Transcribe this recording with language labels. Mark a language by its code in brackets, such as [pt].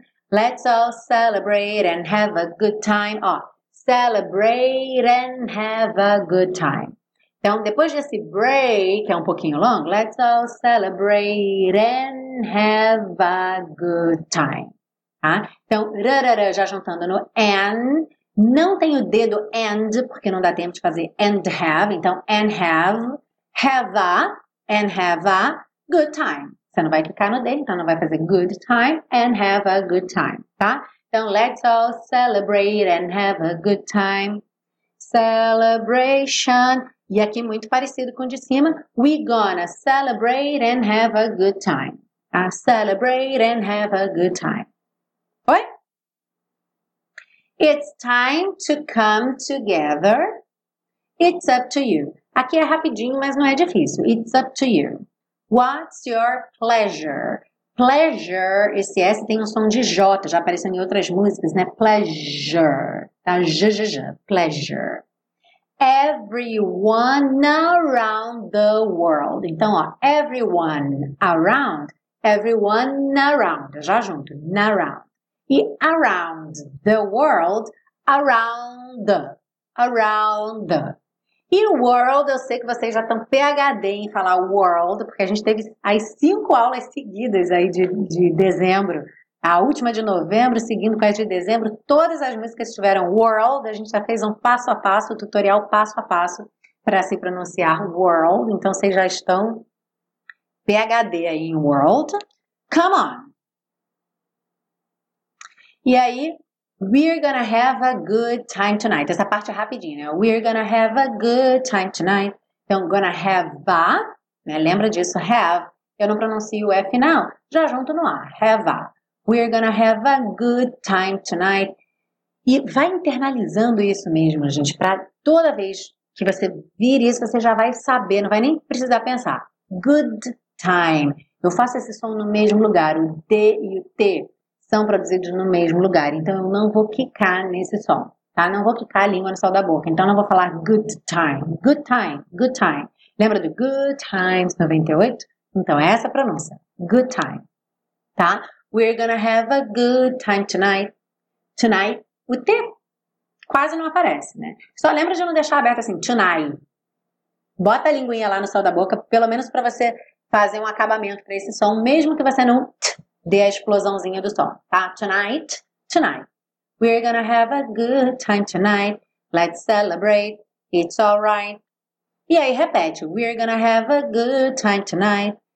[en] Let's all celebrate and have a good time. [pt] Ó, [en] celebrate and have a good time. [pt] Então, depois desse break, que é um pouquinho longo, [en] let's all celebrate and have a good time. [pt] Tá? Então, rarara, já juntando no and. Não tem o dedo and, porque não dá tempo de fazer and have. Então, [en] and have, have a, and have a good time. [pt] Você não vai clicar no D, então não vai fazer [en] good time and have a good time, [pt] tá? [en] Então, let's all celebrate and have a good time. Celebration. [pt] E aqui, muito parecido com o de cima. [en] We gonna celebrate and have a good time. Celebrate and have a good time. Oi? It's time to come together. It's up to you. [pt] Aqui é rapidinho, mas não é difícil. [en] It's up to you. What's your pleasure? [pt] Pleasure, esse S tem um som de J, já apareceu em outras músicas, né? Pleasure. Tá? J, j, j. Pleasure. [en] Everyone around the world. [pt] Então, ó, [en] everyone around. Everyone around. [pt] Já junto. [en] Around. E around the world. Around. Around the. [pt] E o world, eu sei que vocês já estão PhD em falar world, porque a gente teve as 5 aulas seguidas aí de dezembro, a última de novembro, seguindo com a de dezembro, todas as músicas tiveram world, a gente já fez um passo a passo, um tutorial passo a passo para se pronunciar world, então vocês já estão PhD aí em world. [en] Come on! [pt] E aí... [en] We're gonna have a good time tonight. [pt] Essa parte é rapidinha, né? [en] We're gonna have a good time tonight. [pt] Então, gonna have a, né? Lembra disso, have. Eu não pronuncio o F não. Já junto no A, have a. [en] We're gonna have a good time tonight. [pt] E vai internalizando isso mesmo, gente. Pra toda vez que você vir isso, você já vai saber. Não vai nem precisar pensar. Good time. Eu faço esse som no mesmo lugar, o D e o T. São produzidos no mesmo lugar. Então, eu não vou quicar nesse som, tá? Não vou quicar a língua no sol da boca. Então, não vou falar good time. Good time. Good time. Lembra do good times 98? Então, é essa a pronúncia. Good time. Tá? [en] We're gonna have a good time tonight. [pt] Tonight. O T quase não aparece, né? Só lembra de não deixar aberto assim, tonight. Bota a linguinha lá no céu da boca, pelo menos pra você fazer um acabamento pra esse som, mesmo que você não dê a explosãozinha do som, tá? [en] Tonight, tonight. We're gonna have a good time tonight. Let's celebrate. It's alright. [pt] E aí, repete. [en] We're gonna have a good time tonight.